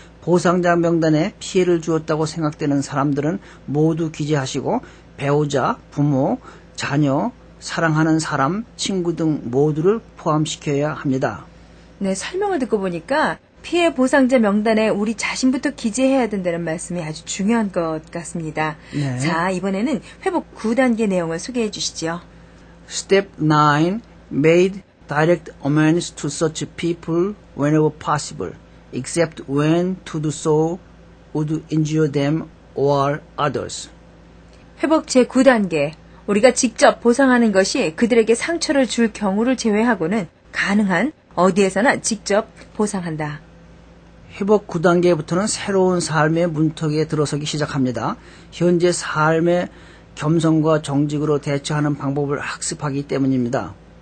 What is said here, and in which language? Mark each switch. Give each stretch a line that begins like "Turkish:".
Korean: 보상자 명단에 피해를 주었다고 생각되는 사람들은 모두 기재하시고 배우자, 부모, 자녀, 사랑하는 사람, 친구 등 모두를 포함시켜야 합니다. 네, 설명을 듣고 보니까 피해 보상자 명단에 우리 자신부터 기재해야 된다는 말씀이 아주 중요한 것 같습니다. 네. 자, 이번에는 회복 9단계 내용을 소개해 주시죠.
English: Step 9, made direct amends to such people whenever possible, except when to do so would injure them or others.
Korean: 회복 제9단계, 우리가 직접 보상하는 것이 그들에게 상처를 줄 경우를 제외하고는 가능한 어디에서나 직접 보상한다. 회복 9단계부터는 새로운 삶의 문턱에 들어서기 시작합니다. 현재 삶의 겸손과 정직으로 대처하는 방법을 학습하기 때문입니다.